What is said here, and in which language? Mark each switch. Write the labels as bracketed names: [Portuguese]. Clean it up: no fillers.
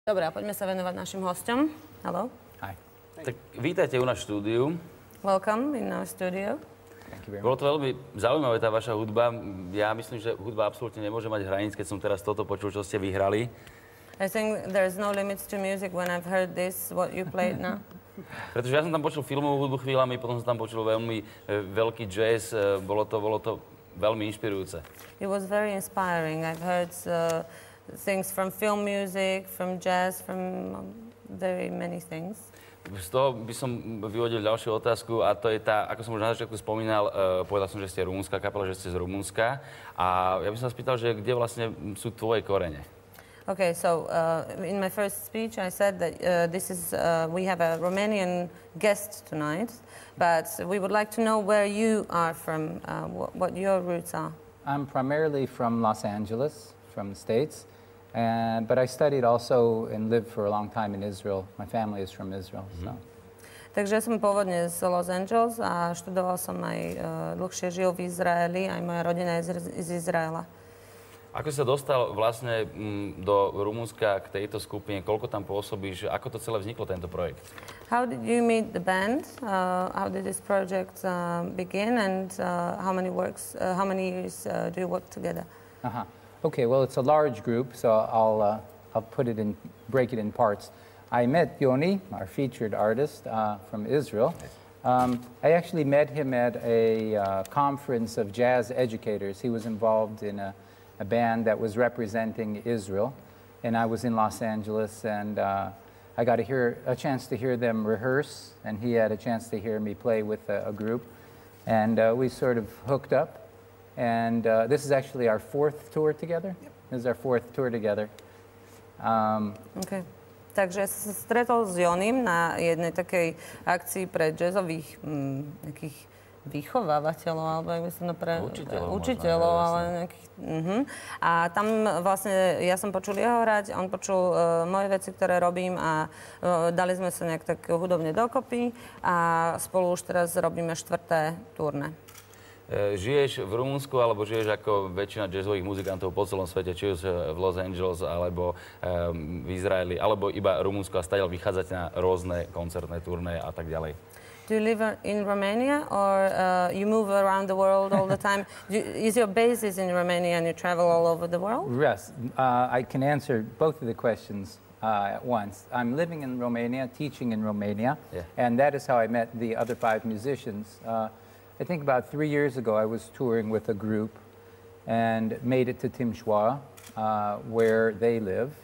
[Slovak] Dobre, a poďme sa venovať našim hosťom. Haló. [English] Hi. [Slovak] Tak vítajte u nás v štúdiu. [English] Welcome in our studio. [Slovak] Bolo to veľmi zaujímavé, tá vaša hudba. Ja myslím, že hudba absolútne nemôže mať hranic, keď som teraz toto počul, čo ste vyhrali. [English] I think there's no limits to music when I've heard this, what you played now. [Slovak] Pretože ja som tam počul filmovú hudbu chvíľami, potom som tam počul veľmi veľký jazz. Bolo to veľmi inšpirujúce. [English] It was very inspiring. I've heard things from film music, from jazz, from very many things. [Slovak] Z toho by som vyvodil ďalšiu otázku, a to je tá, ako som už na začiatku spomínal, povedal som, že ste rumunská kapela, že ste z Rumunska. A ja by som vás pýtal, že kde vlastne sú tvoje korene? [English] Okay, so in my first speech I said that we have a Romanian guest tonight, but we would like to know where you are from, what your roots are. I'm primarily from Los Angeles, from the States. But I studied also and lived for a long time in Israel. My family is from Israel, so. [Slovak] Takže som pôvodne z Los Angeles a študoval som aj dlhšie žil v Izraeli, aj moja rodina je z Izraela. Ako sa dostal vlastne do Rumunska k tejto skupine? Koľko tam pôsobíš? Ako to celé vzniklo, tento projekt? [English] How did you meet the band? How did this project begin and how many years do you work together? Okay, well, it's a large group, so I'll break it in parts. I met Yoni, our featured artist from Israel. I actually met him at a conference of jazz educators. He was involved in a band that was representing Israel, and I was in Los Angeles, and I got a chance to hear them rehearse, and he had a chance to hear me play with a group, and we sort of hooked up. And this is actually our fourth tour together. Yep. This is our fourth tour together. Okay. [Slovak] Takže sa stretol s Jonim na jednej takej akcii pre jazzových nejakých vychovávateľov, alebo ak by som to pre... Učiteľov, ale nejakých... Mm-hmm. A tam vlastne ja som počul jeho hrať, on počul moje veci, ktoré robím a dali sme sa nejak tak hudobne dokopy a spolu už teraz robíme štvrté turné. Žiješ v Rumunsku, alebo žiješ ako väčšina jazzových muzikantov po celom svete, či už v Los Angeles, alebo v Izraeli, alebo iba Rumunsku a stále vychádzať na rôzne koncertné turné a tak ďalej. [English] Do you live in Romania or you move around the world all the time? Is your base in Romania and you travel all over the world? Yes, I can answer both of the questions at once. I'm living in Romania, teaching in Romania, yeah. And that is how I met the other five musicians. I think about 3 years ago, I was touring with a group and made it to Timișoara, where they live.